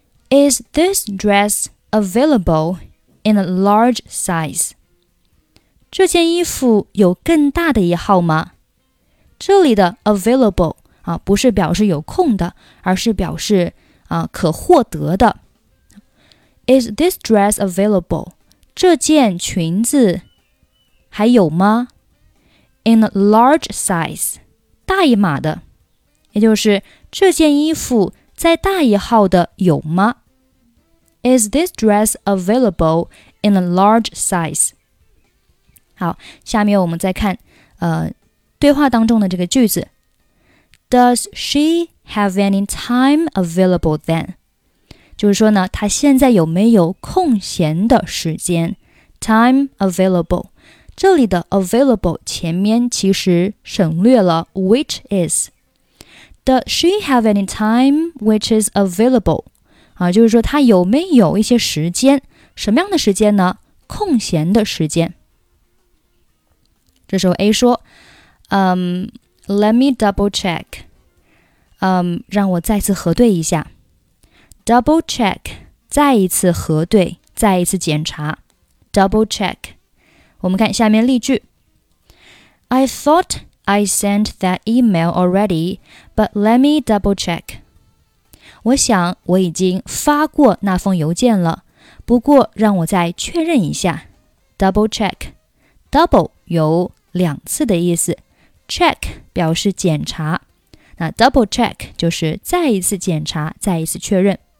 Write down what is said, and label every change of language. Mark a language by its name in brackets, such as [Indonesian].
[English] Is this dress available in a large size? [Chinese] 这件衣服有更大的一号吗？这里的 available 啊，不是表示有空的，而是表示啊可获得的。 [English] Is this dress available? [Chinese] 这件裙子还有吗 ？ [English] In a large size, [Chinese] 大一码的，也就是这件衣服在大一号的有吗？ [English] Is this dress available in a large size? [Chinese] 好，下面我们再看，对话当中的这个句子。 [English] Does she have any time available then? [Chinese] 就是说呢，她现在有没有空闲的时间 ？Time available， 这里的 available 前面其实省略了 which is。 [English] Does she have any time which is available? [Chinese] 啊，就是说他有没有一些时间，什么样的时间呢？空闲的时间。这时候 A 说， [English] let me double check， [Chinese] 让我再次核对一下。 Double check， 再一次核对，再一次检查。 Double check， 我们看下面例句。 [English] I thought I sent that email already， but let me double check。 [Chinese] 我想我已经发过那封邮件了，不过让我再确认一下。 Double check， double 有两次的意思， check 表示检查，那 double check 就是再一次检查，再一次确认。